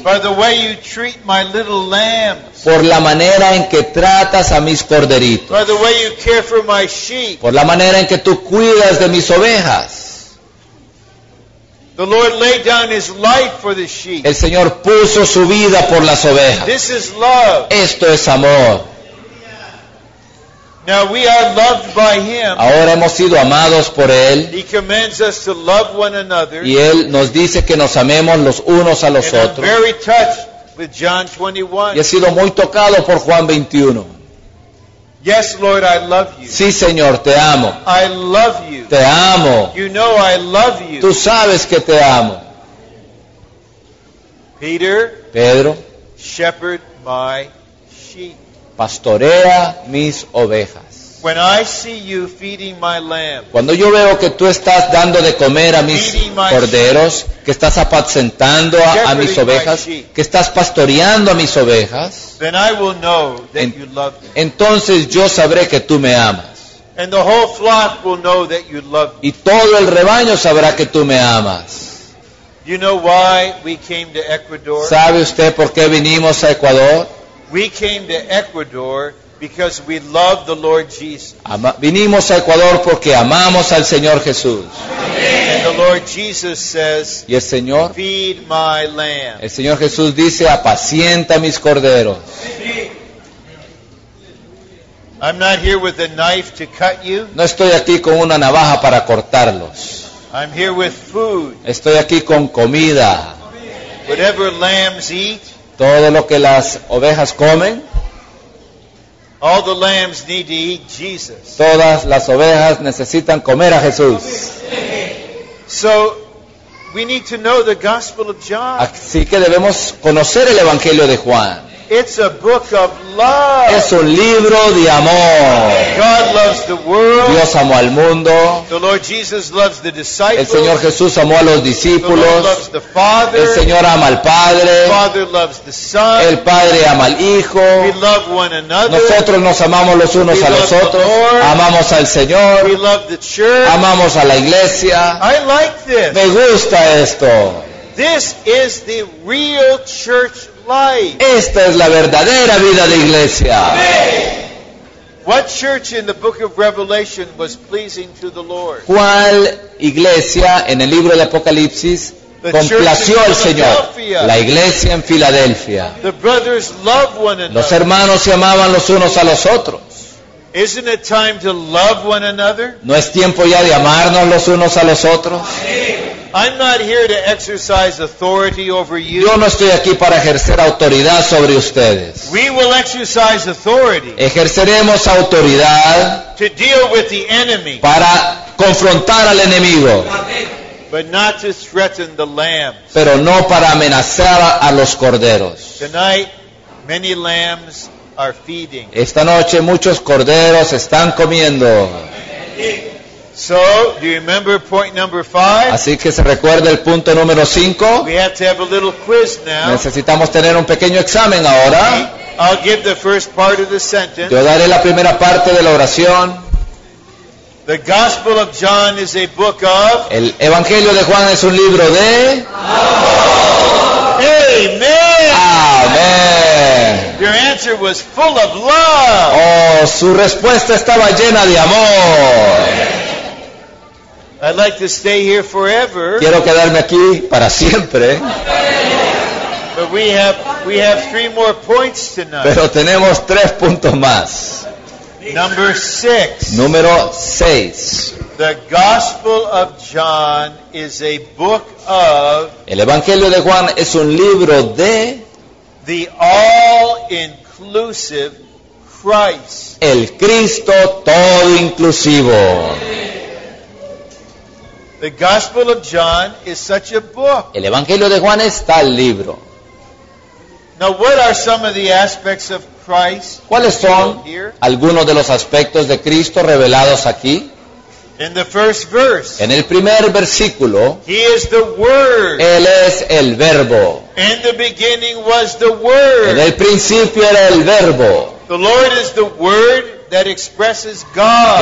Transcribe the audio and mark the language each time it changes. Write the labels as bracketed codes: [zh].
[en] By the way you treat my little lambs. [es] Por la manera en que tratas a mis corderitos. [en] By the way you care for my sheep. [es] Por la manera en que tú cuidas de mis ovejas. [en] The Lord laid down his life for the sheep. [es] El Señor puso su vida por las ovejas. [en] This is love. [es] Esto es amor. [en] Now we are loved by him. [es] Ahora hemos sido amados por él. [en] He commands us to love one another. [es] Y él nos dice que nos amemos los unos a los [en] and [es] otros. [en] I'm very touched with John 21. [es] Y he sido muy tocado por Juan 21. [en] Yes, Lord, I love you. [es] Sí, Señor, te amo. [en] I love you. [es] Te amo. [en] You know I love you. [es] Tú sabes que te amo. [en] Peter. [es] Pedro. [en] Shepherd my sheep. [es] Pastorea mis ovejas. [en] When I see you feeding my lambs. [es] Cuando yo veo que tú estás dando de comer a mis corderos, [en] sheep, [es] que estás apacentando a mis ovejas, que estás pastoreando a mis ovejas, [en] then I will know that you love me. [es] Entonces yo sabré que tú me amas. [en] And the whole flock will know that you love me. [es] Y todo el rebaño sabrá que tú me amas. [en] You know why we came to Ecuador? [es] ¿Sabe usted por qué vinimos a Ecuador? [en] We came to Ecuador because we love the Lord Jesus. [es] Vinimos a Ecuador porque amamos al Señor Jesús. [en] And the Lord Jesus says, [es] y el Señor, [en] feed my lamb. [es] El Señor Jesús dice, apacienta mis corderos. [en] I'm not here with a knife to cut you. [es] No estoy aquí con una navaja para cortarlos. [en] I'm here with food. [es] Estoy aquí con comida. [en] Whatever lambs eat, [es] todo lo que las ovejas comen, [en] all the lambs need to eat Jesus. [es] Todas las ovejas necesitan comer a Jesús. [en] So we need to know the Gospel of John. [es] Así que debemos conocer el Evangelio de Juan. [en] It's a book of love. [es] Es un libro de amor. [en] God loves the world. [es] Dios amó al mundo. [en] The Lord Jesus loves the disciples. [es] El Señor Jesús amó a los discípulos. [en] The Lord loves the Father. [es] El Señor ama al Padre. [en] The Father loves the Son. [es] El Padre ama al Hijo. [en] We love one another. [es] Nosotros nos amamos los unos [en] we [es] a los otros. Amamos al Señor. [en] We love the church. [es] Amamos a la iglesia. [en] I like this. [es] Me gusta esto. [en] This is the real church life. [es] Esta es la verdadera vida de iglesia. [en] What church in the book of Revelation was pleasing to the Lord? [es] ¿Cuál iglesia en el libro de Apocalipsis complació al Señor? La iglesia en Filadelfia. [en] The brothers love one another. [es] Los hermanos se amaban los unos a los otros. [en] Isn't it time to love one another? [es] ¿No es tiempo ya de amarnos los unos a los otros? [en] I'm not here to exercise authority over you. [es] Yo no estoy aquí para ejercer autoridad sobre ustedes. [en] We will exercise authority. [es] Ejerceremos autoridad [en] to deal with the enemy. [es] Para confrontar al enemigo. [en] But not to threaten the lambs. [es] Pero no para amenazar a los corderos. [en] Tonight, Many lambs are feeding. [es] Esta noche muchos corderos están comiendo. [en] So, do you remember point number five? [es] Así que se recuerda el punto número 5. [en] We have to have a little quiz now. [es] Necesitamos tener un pequeño examen ahora. [en] I'll give the first part of the sentence. [es] Yo daré la primera parte de la oración. [en] The Gospel of John is a book of. [es] El Evangelio de Juan es un libro de. [en] Oh. Amen. Amen. Your answer was full of love. [es] Oh, su respuesta estaba llena de amor. [en] I'd like to stay here forever. [es] Quiero quedarme aquí para siempre. [en] But we have three more points tonight. [es] Pero tenemos tres puntos más. [en] Number six. [es] Número seis. [en] The Gospel of John is a book of. [es] El Evangelio de Juan es un libro de. [en] The all-inclusive Christ. [es] El Cristo todo inclusivo. [en] The Gospel of John is such a book. [es] El Evangelio de Juan es tal libro. [en] Now, what are some of the aspects of Christ? [es] ¿Cuáles son algunos de los aspectos de Cristo revelados aquí? [en] In the first verse. [es] En el primer versículo. [en] He is the Word. [es] Él es el Verbo. [en] In the beginning was the Word. [es] En el principio era el Verbo. [en] The Lord is the Word. That expresses God.